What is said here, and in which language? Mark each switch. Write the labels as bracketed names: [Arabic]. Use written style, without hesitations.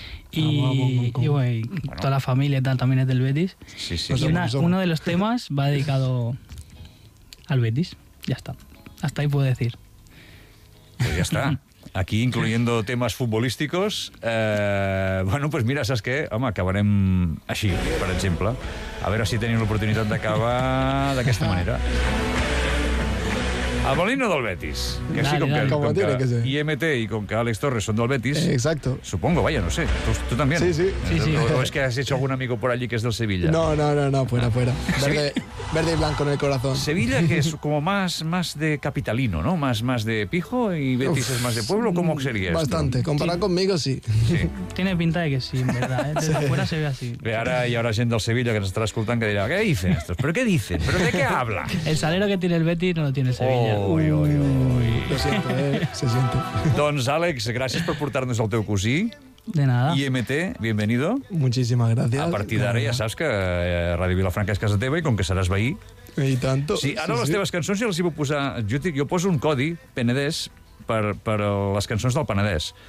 [Spanish] Y bueno. Toda la familia y tal también es del Betis. Sí, sí, y uno de los temas va dedicado al Betis. Ya está. Hasta ahí puedo decir. Pues ya está. Aquí, incluyendo temas futbolísticos, bueno, pues mira, [Catalan] ¿saps què? Home, acabarem així, per exemple. A veure si tenim l'oportunitat d'acabar d'aquesta manera. [Spanish] A Molino del Betis. Que dale, sí, com dale, que, como tiene que ser. IMT y con que Àlex Torres son del Betis. Exacto. Supongo, vaya, no sé. Tú también. Sí, sí. ¿O es que has hecho algún amigo por allí que es del Sevilla? No, fuera. Verde, verde y blanco en el corazón. Sevilla, que es como más de capitalino, ¿no? Más de pijo y Betis es más de pueblo. ¿Cómo sería esto? Bastante. Comparado conmigo, sí. Tiene pinta de que sí, en verdad. Desde afuera se ve así. Y ahora gente del Sevilla que nos está escuchando que dirá, ¿qué dicen estos? ¿Pero qué dicen? ¿Pero de qué habla? El salero que tiene el Betis no lo tiene Sevilla. Uy. Lo siento. [Catalan] Doncs, Àlex, gràcies per portar-nos el teu cosí. [Spanish] De nada. IMT, bienvenido. Muchísimas gracias. [Catalan] A partir d'ara ja saps que Ràdio Vilafranca és casa teva i com que seràs veí... I tanto. Sí, ara sí, les teves cançons ja les hi vull posar... Jo poso un codi, Penedès, per les cançons del Penedès.